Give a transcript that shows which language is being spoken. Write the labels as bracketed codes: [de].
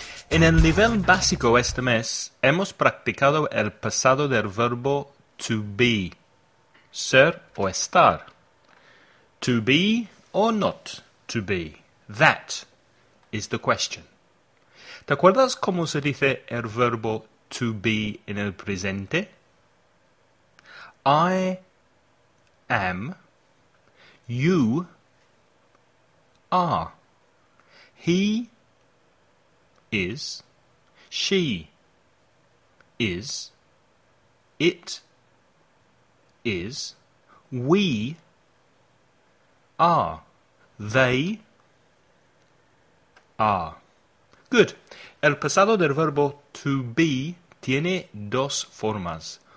[es] En el nivel básico este mes, hemos practicado el pasado del verbo to be, ser o estar. [en] To be or not to be, that is the question. [es] ¿Te acuerdas cómo se dice el verbo to be en el presente? [en] I am, you are, he is, she is, it is, we are, they are. Good. [es] El pasado del verbo to be tiene dos formas.